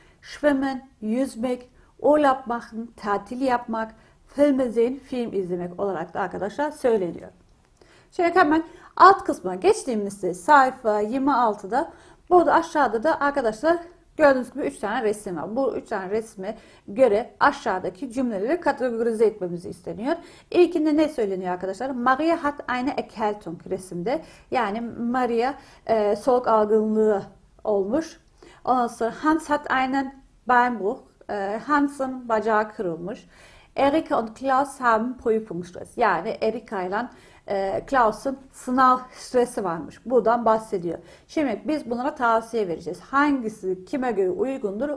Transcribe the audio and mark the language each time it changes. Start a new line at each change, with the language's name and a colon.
Turkish: Schwimmen, yüzmek,
German: Urlaub machen,
Turkish: tatil yapmak,
German: filme sehen,
Turkish: film izlemek olarak da arkadaşlar söyleniyor. Şöyle hemen alt kısmına geçtiğimizde sayfa 26'da burada aşağıda da arkadaşlar gördüğünüz gibi 3 tane resim var. Bu 3 tane resme göre aşağıdaki cümleleri kategorize etmemizi isteniyor. İlkinde ne söyleniyor arkadaşlar?
German: Maria hat eine Erkältung resimde.
Turkish: Yani Maria soğuk algınlığı olmuş. Ondan sonra
German: Hans hat einen Beinbruch.
Turkish: Hans'ın bacağı kırılmış.
German: Erika und Klaus haben Prüfungsstress.
Turkish: Yani Erika ile Klaus'ın sınav stresi varmış. Buradan bahsediyor. Şimdi biz bunlara tavsiye vereceğiz. Hangisi kime göre uygundur?